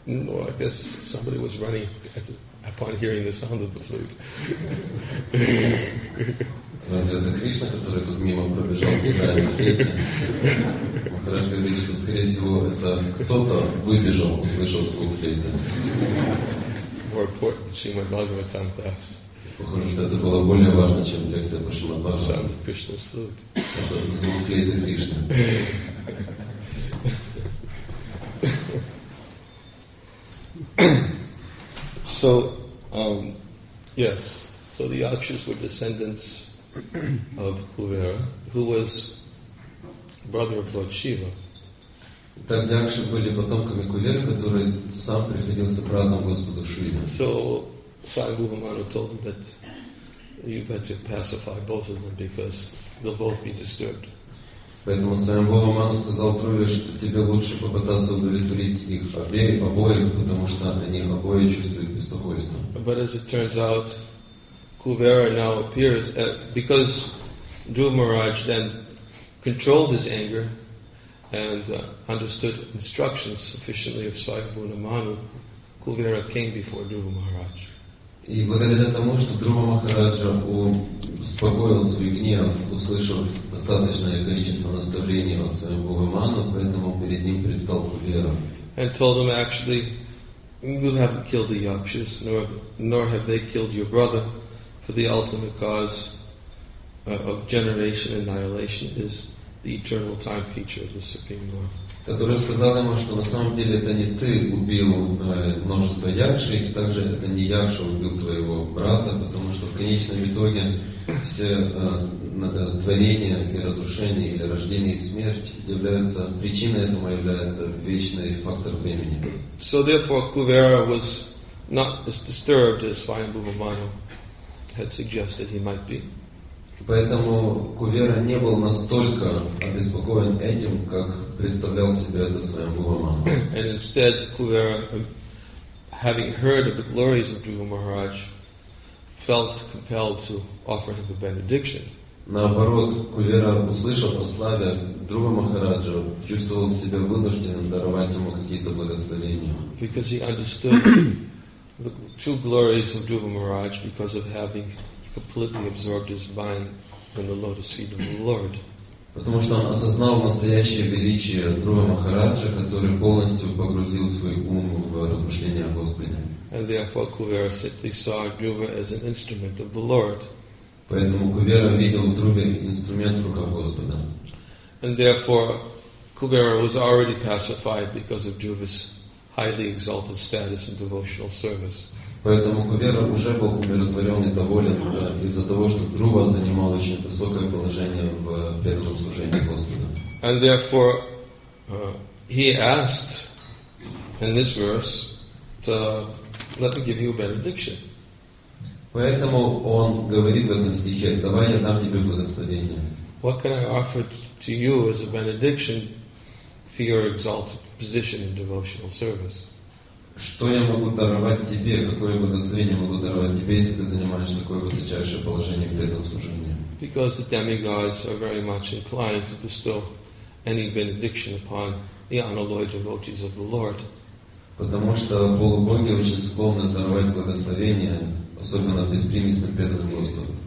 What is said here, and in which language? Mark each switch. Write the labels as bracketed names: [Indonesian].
[English] No, I guess somebody was running upon hearing the sound of the flute. [Russian] Разве это Кришна, который тут мимо пробежал, играя на флейте? Хорошо говорит, что, скорее всего, это кто-то выбежал, услышал звук флейты. Похоже, что это было более важно, чем лекция по Шримад-Бхагаватам. [English] Кришна's flute. [Russian] Это звук флейты Кришны. [English] So, yes. So the Yakshas were descendants of Kuvera, who was brother of Lord Shiva. [Russian] Так якши были потомками Кувера, который сам приходился братом Господу Шиве. [English] So Swami Bhuvamano told him that you better pacify both of them because they'll both be disturbed. [Russian] Поэтому Свами Бхувамано сказал Труве, что тебе лучше попытаться удовлетворить их обоих, потому что они обои чувствуют беспокойство. [English] But as it turns out, Kuvera now appears because Dhruva Maharaj then controlled his anger and understood instructions sufficiently of Swami Bhuvamano. Kuvera came before Dhruva Maharaj. [Russian] И благодаря тому, что Дхрува Махараджа успокоил свой гнев, услышав достаточное количество наставлений от Свами Бхуваману, поэтому перед ним предстал Кувера. [English] And told him, actually, you haven't killed the Yakshas, nor have they killed your brother. For the ultimate cause of generation annihilation is the eternal time feature of the Supreme Lord. [Russian] Который сказал ему, что на самом деле это не ты убил множество якши, и также это не якша убил твоего брата, потому что в конечном итоге все творения и разрушения, и рождение, и смерть являются, причиной этого является вечный фактор времени. [English] So therefore Kuvera was not as disturbed as Swami Bhuvamano had suggested he might be. [Russian] Поэтому Кувера не был настолько обеспокоен этим, как представлял себе это своим Бхуваману. [English] And instead, Kuvera, having heard of the glories of Dhruva Maharaj, felt compelled to offer him a benediction. [Russian] Наоборот, Кувера, услышав о славе Дхрувы Махараджа, чувствовал себя вынужденным даровать ему какие-то благословения. [English] Because he understood the true glories of Dhruva Maharaj because of having completely absorbed his mind in the lotus feet of the Lord. [Russian] Потому что он осознал настоящее величие Дхрувы Махараджа, который полностью погрузил свой ум в размышления о Господе. [English] And therefore Kuvera simply saw Dhruva as an instrument of the Lord. [Russian] Поэтому Кувера видел в Дхруве инструмент в руках Господа. [English] And therefore Kuvera was already pacified because of Dhruva's highly exalted status in devotional service. [Russian] Поэтому Кувера уже был умиротворен и доволен из-за того, что Дхрува занимал очень высокое положение в преданном служении Господа. [English] And therefore, he asked in this verse to let me give you a benediction. [Russian] Поэтому он говорит в этом стихе: «Давай я дам тебе благословение». [English] What can I offer to you as a benediction for your exalted position in devotional service? [Russian] Что я могу даровать тебе? Какое благословение могу даровать тебе, если ты занимаешь такое высочайшее положение в этом служении? [English] Because the demigods are very much inclined to bestow any benediction upon the unalloyed devotees of the Lord. [Russian] Потому что полубоги очень склонны даровать благословение, особенно беспримесным преданным Господу.